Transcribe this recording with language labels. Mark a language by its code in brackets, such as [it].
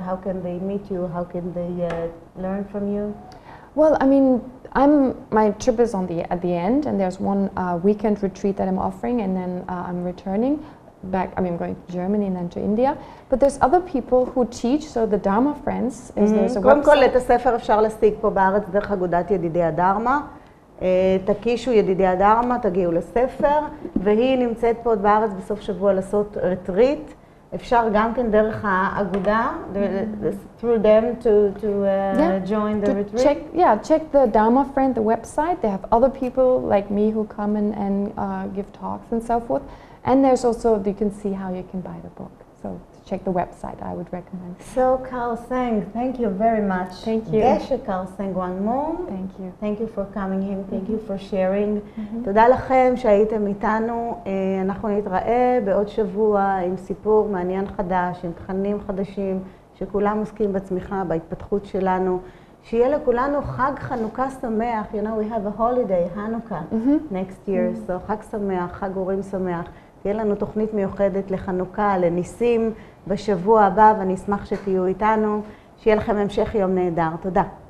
[en] How can they meet you? How can they learn from you? Well, I mean, my trip is at the end, and there's one weekend retreat that I'm offering, and then I'm returning back. I mean, I'm going to Germany and then to India. But there's other people who teach, so the Dharma Friends is there's a website. [he] קודם כל, את הספר אפשר להשיג פה בארץ דרך אגודת ידידי הדרמה. תקישו ידידי הדרמה, תגיעו לספר, והיא נמצאת פה בארץ בסוף שבוע לעשות רטריט. אפשר גם כן דרך האגודה, [en] through them join the retreat? Check the Dharma Friend, the website. They have other people like me who come and give talks and so forth. And there's also, you can see how you can buy the book. So check the website, I would recommend. So Kalseng, thank you very much. Thank you. Geshe Kalseng, one more. Thank you. Thank you for coming here. Thank you for sharing. [he] תודה לכם שהייתם איתנו. אנחנו נתראה בעוד שבוע עם סיפור מעניין חדש, עם תכנים חדשים, שכולם עוסקים בצמיחה, בהתפתחות שלנו. שיהיה לכולנו חג חנוכה שמח. [en] You know, we have a holiday, Hanukkah, next year. [he] So חג שמח, חג אורים שמח. תהיה לנו תוכנית מיוחדת לחנוכה, לניסים, בשבוע הבא, ואני אשמח שתהיו איתנו. שיהיה לכם המשך יום נהדר. תודה.